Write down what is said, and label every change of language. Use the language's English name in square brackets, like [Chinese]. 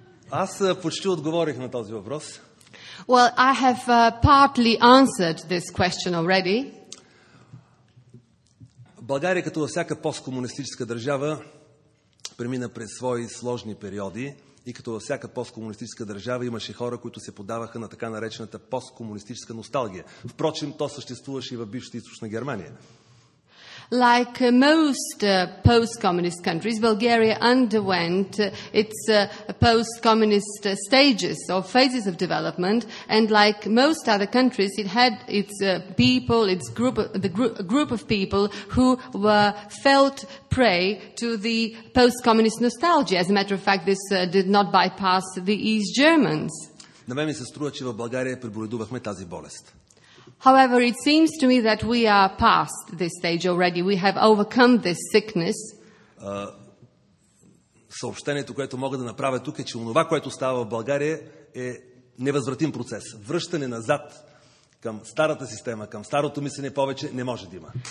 [Bulgarian] Аз почти отговорих на този въпрос. [English] Well, I have partly answered this question already. [Bulgarian] България, като във всяка посткомунистическа държава, премина през свои сложни периоди и като във всяка посткомунистическа държава имаше хора, които се подаваха на така наречената посткомунистическа носталгия. Впрочем, то съществуваше и в бившата Източна Германия. [English] Like most post-communist countries, Bulgaria underwent its post-communist stages or phases of development, and like most other countries, it had its people, its group, group of people who were felt prey to the post-communist nostalgia. As a matter of fact, this did not bypass the East Germans. [Bulgarian] На мен ми се струва, че в България преболедувахме тази болест. [English] However, it seems to me that we are past this stage already. We have overcome this sickness. [Bulgarian] Съобщението, което мога да направя тук е, че онова, което става в България, е невъзвратим процес. Връщане назад към старата система, към старото мислене повече не може да има.